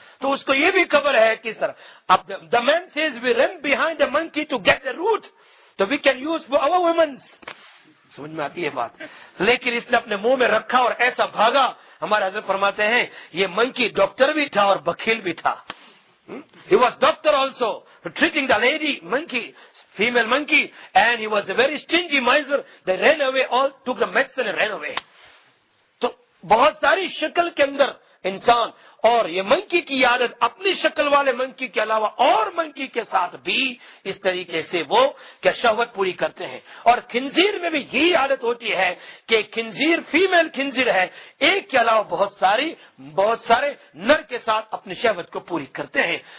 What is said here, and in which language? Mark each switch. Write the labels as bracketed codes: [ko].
[ur] تو اس کو یہ بھی خبر ہے کس طرح, [en] اب the man says we run behind the monkey to get the route, تو we can use for over women. [ur] سمجھ میں آتی ہے بات. لیکن اس نے اپنے منہ میں رکھا اور ایسا بھاگا. ہمارے حضرت فرماتے ہیں یہ منکی ڈاکٹر بھی تھا اور بکیل بھی تھا. [en] He was doctor also treating the lady monkey, female monkey, and he was a very stingy miser. They ran away, all took the medicine and ran away. [ur] So, بہت ساری شکل کے اندر انسان, اور یہ منکی کی عادت اپنی شکل والے منکی کے علاوہ اور منکی کے ساتھ بھی اس طریقے سے وہ کیا شہوت پوری کرتے ہیں. اور خنزیر میں بھی یہی عادت ہوتی ہے کہ خنزیر فیمل خنزیر ہے, ایک کے علاوہ بہت سارے نر کے ساتھ اپنی شہوت کو پوری کرتے ہیں.